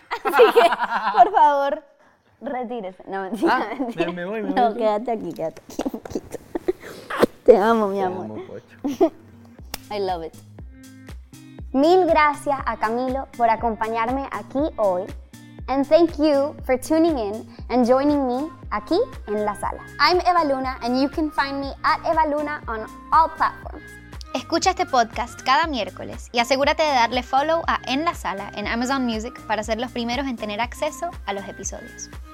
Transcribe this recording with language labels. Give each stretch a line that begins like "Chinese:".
Spanish: Así que, por favor, retírese. No, mentira, me voy. No, quédate aquí. Te amo, mi amor. Te amo, pocho.
English: I love it.
Spanish: Mil gracias a Camilo por acompañarme aquí hoy.
English: And thank you for tuning in and joining me
Spanish: aquí en La Sala.
English: I'm Eva Luna and you can find me at Eva Luna on all platforms.
Spanish: Escucha este podcast cada miércoles y asegúrate de darle follow a En La Sala en Amazon Music para ser los primeros en tener acceso a los episodios.